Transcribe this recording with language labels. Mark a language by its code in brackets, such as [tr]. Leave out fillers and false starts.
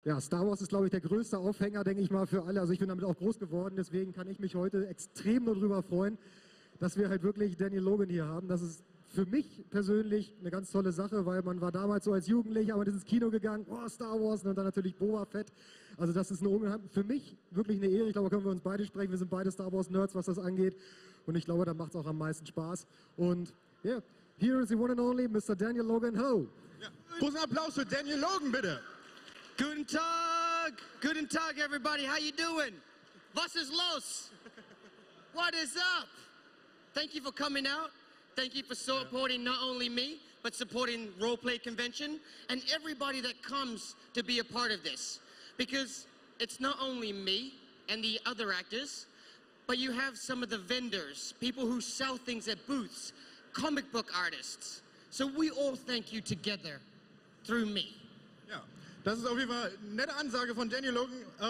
[de] Ja, Star Wars ist, glaube ich, der größte Aufhänger, denke ich mal, für alle. Also ich bin damit auch groß geworden, deswegen kann ich mich heute extrem nur darüber freuen, dass wir halt wirklich Daniel Logan hier haben. Das ist für mich persönlich eine ganz tolle Sache, weil man war damals so als Jugendlicher, ins Kino gegangen, oh, Star Wars und dann natürlich Boba Fett. Also das ist eine, für mich wirklich eine Ehre. Ich glaube, da können wir uns beide sprechen. Wir sind beide Star Wars Nerds, was das angeht. Und ich glaube, da macht es auch am meisten Spaß. [en] Und yeah, here is the one and only Mr. Daniel Logan Ho. [de] Großen Applaus für Daniel Logan, bitte. Guten Tag! Guten Tag, [en] everybody! How you doing? [de] Was ist los? [en] What is up? Thank you for coming out. Thank you for supporting not only me, but supporting Roleplay Convention and everybody that comes to be a part of this. Because it's not only me and the other actors, but you have some of the vendors, people who sell things at booths, comic book artists. So we all thank you together through me. Yeah. [de] Das ist auf jeden Fall eine nette Ansage von Daniel Logan.